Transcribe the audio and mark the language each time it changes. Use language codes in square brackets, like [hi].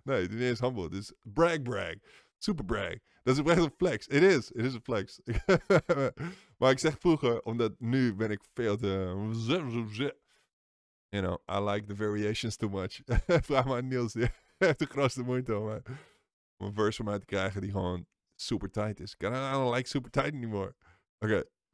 [nl] Nee, het is niet eens humble. Het is brag. Super brag. Dat is echt een flex. [en] It is. It is a flex. [nl] Maar ik zeg vroeger, omdat nu ben ik veel te... [en] You know, I like the variations too much. [nl] Vraag maar aan Niels. Hij heeft de grootste moeite om een verse van mij te krijgen die gewoon super tight is. [en] I don't like super tight anymore. Oké.